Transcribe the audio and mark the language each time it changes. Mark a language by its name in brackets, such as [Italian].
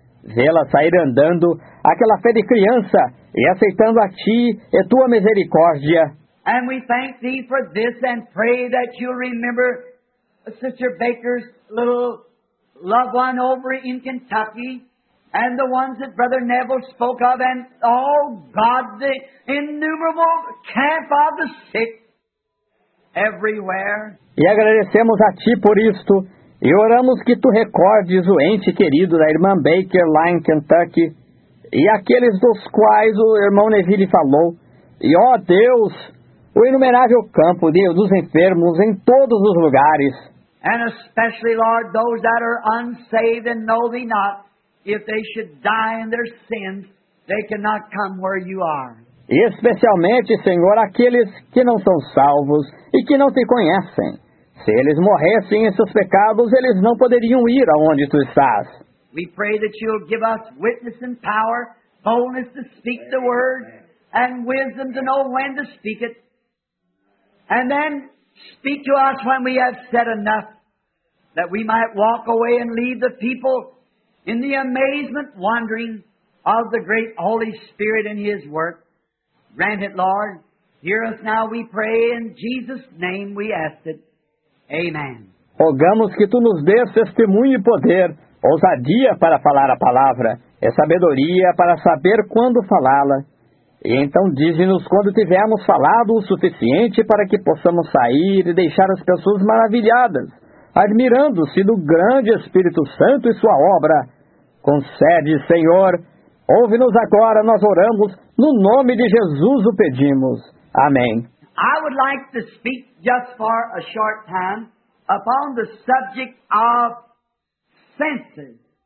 [Portuguese] Vê-la sair andando, aquela fé de criança, e aceitando a ti e tua misericórdia. [English] And we thank thee for this and pray that you'll remember Sister Baker's little loved one over in Kentucky and the ones that Brother Neville spoke of and all God, the innumerable camp of the sick everywhere. [Portuguese] E agradecemos a ti por isto e oramos que tu recordes o ente querido da irmã Baker lá em Kentucky e aqueles dos quais o irmão Neville falou. E ó Deus, o inumerável campo dos enfermos em todos os lugares. [English] And especially, Lord, those that are unsaved and know thee not, if they should die in their sins, they cannot come where you are. [Portuguese] E especialmente, Senhor, aqueles que não são salvos e que não te conhecem. Se eles morressem em seus pecados, eles não poderiam ir aonde tu estás. [English] We pray that you'll give us witness and power, boldness to speak the word, and wisdom to know when to speak it. And then speak to us when we have said enough, that we might walk away and leave the people in the amazement, wondering of the great Holy Spirit and His work. Grant it, Lord. Hear us now, we pray. In Jesus' name we ask it. Amen. [Portuguese] Rogamos que tu nos dês testemunho e poder, ousadia para falar a palavra, e sabedoria para saber quando falá-la. E então dize-nos quando tivermos falado o suficiente para que possamos sair e deixar as pessoas maravilhadas, admirando-se do grande Espírito Santo e sua obra. Concede, Senhor, ouve-nos agora, nós oramos, no nome de Jesus o pedimos. Amém. [English] I would like to speak just for a short time upon the subject of senses.